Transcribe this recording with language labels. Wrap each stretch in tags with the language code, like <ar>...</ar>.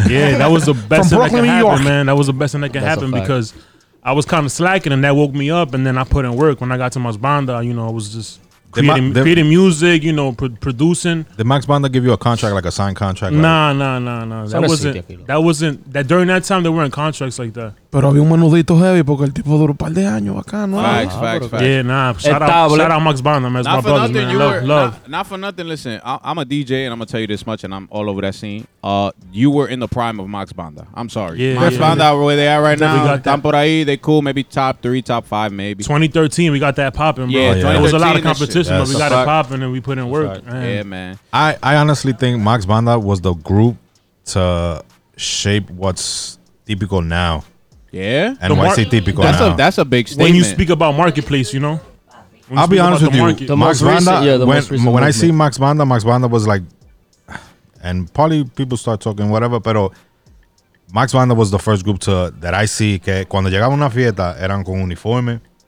<en>Yeah, that was the best thing that could happen, man. That was the best thing that could happen because I was kind of slacking and that woke me up. And then I put in work when I got to Max Banda. You know, I was just... Creating music, you know, producing. Did Max Banda give you a contract, like a signed contract? Nah. That wasn't. That during that time, they weren't contracts like that.</en> <es>Pero había un menudito heavy porque el tipo duró un par de años acá, ¿no?</es> <en>Facts. Yeah, nah. Shout out Max Banda, man. My brother, man. Love. Not for nothing. Listen, I'm a DJ, and I'm going to tell you this much, and I'm all over that scene. You were in the prime of Max Banda. I'm sorry. Yeah, Max Banda, where they at right now.</en> <es>Están por ahí.</es> <en>They cool. Maybe top three, top five, maybe. 2013, we got that popping, bro. Yeah, it was a lot of competition, but we got it popping, and we put in work. Yeah, man. I honestly think Max Banda was the group to shape what's Típico now. Yeah, NYC Típico. That's a big statement. When you speak about marketplace, you know. I'll be honest with you, Max Banda. When I see Max Banda, Max Banda was like, and probably people start talking whatever, pero Max Banda was the first group that I see.</en> <es>Que cuando llegaba una fiesta eran con uniforme.</es>